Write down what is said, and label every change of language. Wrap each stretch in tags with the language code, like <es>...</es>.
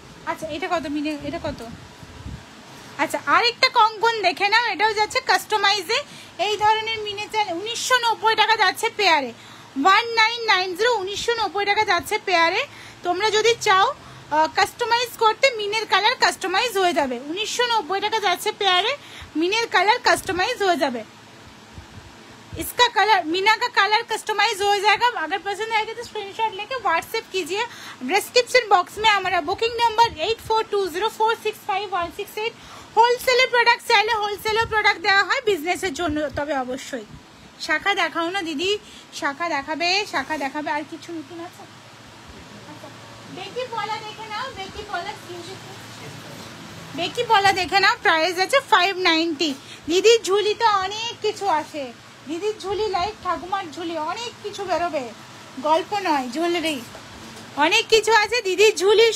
<bn>আচ্ছা এটা কত মিনে, এটা কত? আচ্ছা আরেকটা কঙ্কন দেখে নাও, এটাও যাচ্ছে কাস্টমাইজে, এই ধরনের মিনে চাই 1990 টাকা যাচ্ছে পেয়ারে, 1990, 1990 টাকা যাচ্ছে পেয়ারে। তোমরা যদি চাও কাস্টমাইজ করতে মিনের কালার কাস্টমাইজ হয়ে যাবে, 1990 টাকা যাচ্ছে পেয়ারে, মিনের কালার কাস্টমাইজ হয়ে যাবে।</bn> <hi>इसका कलर, मीना का कलर कस्टमाइज हो जाएगा। अगर पसंद आएगा तो स्क्रीनशॉट लेके व्हाट्सएप कीजिए। डिस्क्रिप्शन बॉक्स में हमारा booking number 8420465168।</hi> <bn>Wholesaler product सेले, wholesaler product দেওয়া হয় বিজনেসের জন্য। তবে অবশ্যই শাখা দেখাও না দিদি, শাখা দেখাবে, শাখা দেখাবে। আর কিছু নতুন আছে? আচ্ছা বেকি পলা দেখে নাও, বেকি পলা, বেকি পলা দেখে নাও, প্রাইস আছে 590। দিদি ঝুলি তো অনেক কিছু আছে, দিদির ঝুলি লাইক ঠাকুমার ঝুলি, অনেক কিছু বেরোবে, গল্প নয় জুয়েলারি, অনেক কিছু আছে দিদির ঝুলি।</bn>